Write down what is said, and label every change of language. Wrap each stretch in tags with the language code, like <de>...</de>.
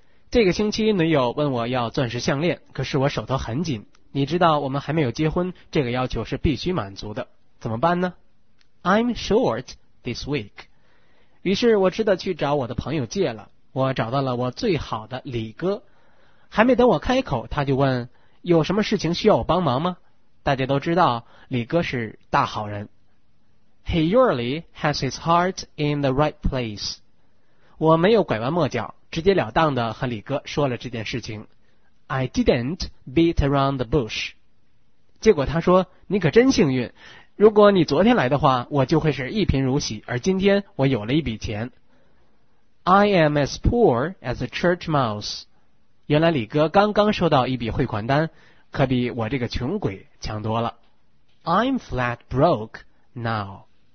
<zh>这个星期女友问我要钻石项链，可是我手头很紧，你知道我们还没有结婚，这个要求是必须满足的，怎么办呢？</zh> <en>I'm short this week。</en> <zh>于是我只得去找我的朋友借了。我找到了我最好的李哥，还没等我开口，他就问有什么事情需要我帮忙吗？大家都知道李哥是大好人。</zh> <en>He usually has his heart in the right place。</en> <zh>我没有拐弯抹角，直截了当地和李哥说了这件事情。</zh> <en>I didn't beat around the bush。</en> <zh>结果他说，你可真幸运，如果你昨天来的话，我就会是一贫如洗，而今天我有了一笔钱。</zh> <en>I am as poor as a church mouse。</en> <zh>原来李哥刚刚收到一笔汇款单，可比我这个穷鬼强多了。</zh> <en>I'm flat broke now。</en>